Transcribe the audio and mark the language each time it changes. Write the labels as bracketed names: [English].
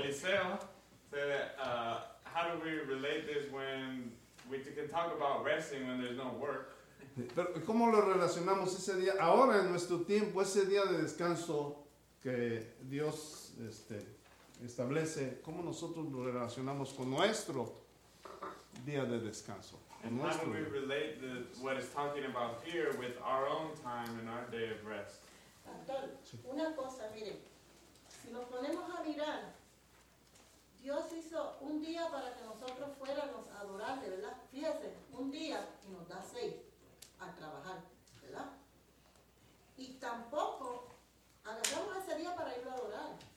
[English] said, how do we relate this when we can talk about resting when there's no work? [Spanish] Pero ¿cómo lo relacionamos ese día? Ahora en nuestro tiempo, ese día de descanso que Dios, establece, ¿cómo nosotros lo relacionamos con nuestro día de descanso? [English] And how do we relate what it's talking about here with our own time and our day of rest? [Spanish] Pastor, una cosa, miren, si nos ponemos a mirar, Dios hizo un día para que nosotros fuéramos a adorarle, ¿verdad? Fíjese, un día y nos da 6 a trabajar, ¿verdad? Y tampoco agarramos ese día para irlo a adorar.